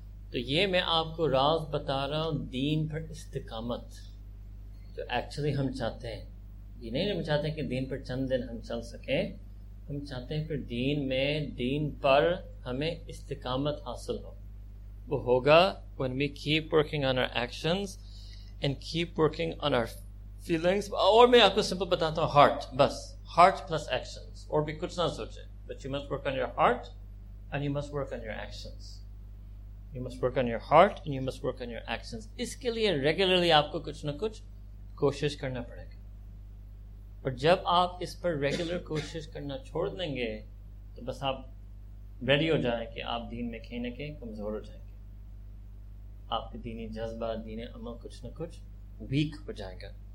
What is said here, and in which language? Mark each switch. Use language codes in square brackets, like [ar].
[ur] تو یہ میں آپ کو راز بتا رہا ہوں دین پر استقامت, جو ایکچولی ہم چاہتے ہیں. یہ نہیں ہم چاہتے ہیں کہ دین پر چند دن ہم چل سکیں, ہم چاہتے ہیں کہ دین میں, دین پر ہمیں استقامت حاصل ہو. وہ ہوگا [en] when we keep working on our actions and keep working on our feelings. [ur] اور میں آپ کو سمپل بتاتا ہوں, ہارٹ, بس ہارٹ پلس ایکشنز, اور بھی کچھ نہ سوچیں. [en] But you must work on your heart and you must work on your actions. You must work on your heart and you must work on your actions. [ur] اس کے لیے regularly آپ کو کچھ نہ کچھ کوشش کرنا پڑے گا. اور جب آپ اس پر ریگولر کوشش کرنا چھوڑ دیں گے تو بس آپ ریڈی ہو جائیں کہ آپ دین میں کہیں نہ کہیں کمزور ہو جائیں گے. آپ کے دینی جذبہ, دین عمل کچھ نہ کچھ ویک ہو جائے گا.